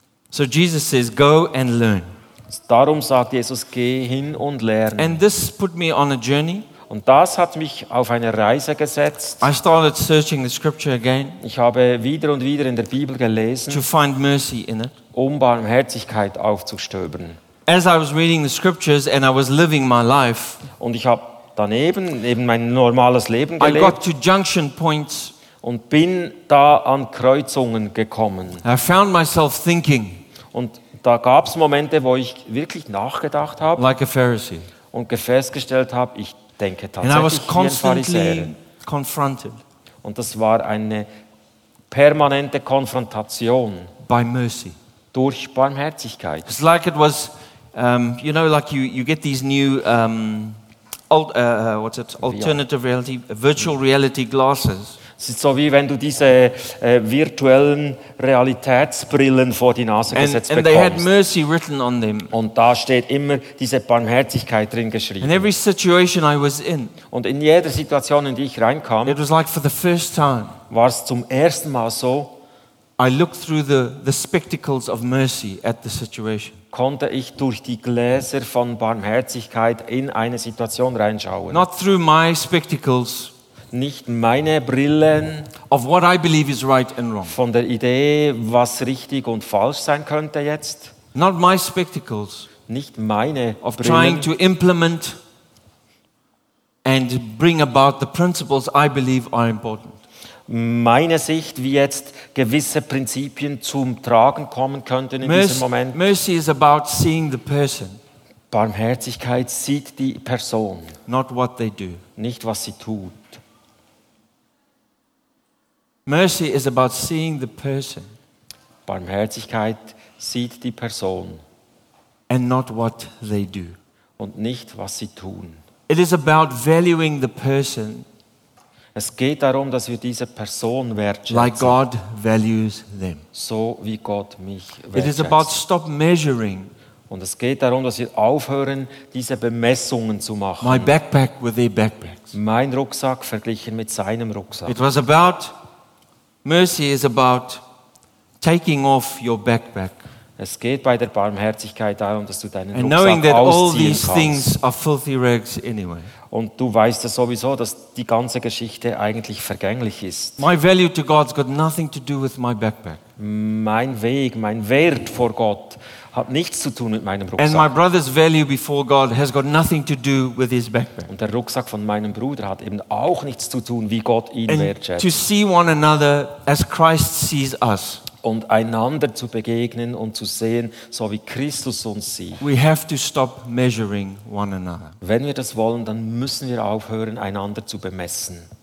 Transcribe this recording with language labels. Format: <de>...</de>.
<en>So Jesus says, go and learn.</en> <de>Darum sagt Jesus, geh hin und lerne.</de> <en>And this put me on a journey.</en> <de>Und das hat mich auf eine Reise gesetzt.</de> <en>I started searching the scripture again.</en> <de>Ich habe wieder und wieder in der Bibel gelesen,</de> <en>to find mercy in it.</en> <de>Um Barmherzigkeit aufzustöbern.</de> <en>As I was reading the scriptures and I was living my life,</en> <de>und ich habe daneben eben mein normales Leben gelebt.</de> <en>I got to junction points,</en> <de>und bin da an Kreuzungen gekommen.</de> <en>I found myself thinking,</en> <de>und da gab es Momente, wo ich wirklich nachgedacht habe,</de> <en>like a Pharisee,</en> <de>und festgestellt habe, ich denke tatsächlich wie ein Pharisäer.</de> <en>Confronted,</en> <de>und das war eine permanente Konfrontation</de> <en>by mercy,</en> <de>durch Barmherzigkeit.</de> <en>It's like it was, you know, like you get these new alternative reality, virtual reality glasses.</en> <de>Es ist so, wie wenn du diese virtuellen Realitätsbrillen vor die Nase gesetzt bekommst.</de> <en>And they had mercy written on them.</en> <de>Und da steht immer diese Barmherzigkeit drin geschrieben.</de> <en>In every situation I was in,</en> <de>und in jeder Situation, in die ich reinkam,</de> <en>it was like for the first time,</en> <de>war es zum ersten Mal so,</de> <en>I looked through the spectacles of mercy at the situation.</en> <de>Konnte ich durch die Gläser von Barmherzigkeit in eine Situation reinschauen.</de> <en>Not through my spectacles,</en> <de>nicht meine Brillen</de> <en>of what I believe is right and wrong,</en> <de>von der Idee, was richtig und falsch sein könnte jetzt.</de> <en>Not my spectacles,</en> <de>nicht meine</de> <en>of</en> <de>Brillen,</de> <en>trying to implement and bring about the principles I believe are important.</en> <de>Meine Sicht, wie jetzt gewisse Prinzipien zum Tragen kommen könnten in diesem Moment.</de> <en>Mercy is about seeing the person.</en> <de>Barmherzigkeit sieht die Person.</de> <en>Not what they do.</en> <de>Nicht was sie tut.</de> <en>Mercy is about seeing the person.</en> <de>Barmherzigkeit sieht die Person.</de> <en>And not what they do.</en> <de>Und nicht was sie tun.</de> <en>It is about valuing the person.</en> <de>Es geht darum, dass wir diese Person wertschätzen.</de> <en>Like God values them.</en> <de>So wie Gott mich wertschätzt.</de> <en>It is about stop measuring.</en> <de>Und es geht darum, dass wir aufhören, diese Bemessungen zu machen.</de> <en>My backpack with their backpacks.</en> <de>Mein Rucksack verglichen mit seinem Rucksack.</de> <en>It was about Mercy is about taking off your backpack.</en> <de>Es geht bei der Barmherzigkeit darum, dass du deinen</de> <en>and</en> <de>Rucksack ausziehen kannst.</de> <en>And knowing that all these things are filthy rags anyway.</en> <de>Und du weißt ja sowieso, dass die ganze Geschichte eigentlich vergänglich ist.</de> <en>My value to God's got nothing to do with my backpack.</en> <de>Mein Weg, mein Wert vor Gott hat nichts zu tun mit meinem Rucksack.</de> <en>And my brother's value before God has got nothing to do with his backpack.</en> <de>Und der Rucksack von meinem Bruder hat eben auch nichts zu tun, wie Gott ihn wertschätzt.</de> <en>To see one another as Christ sees us.</en> <de>Und einander zu begegnen und zu sehen, so wie Christus uns sieht.</de> <en>We have to stop measuring one another.</en> <de>Wenn wir das wollen, dann müssen wir aufhören, einander zu bemessen.</de>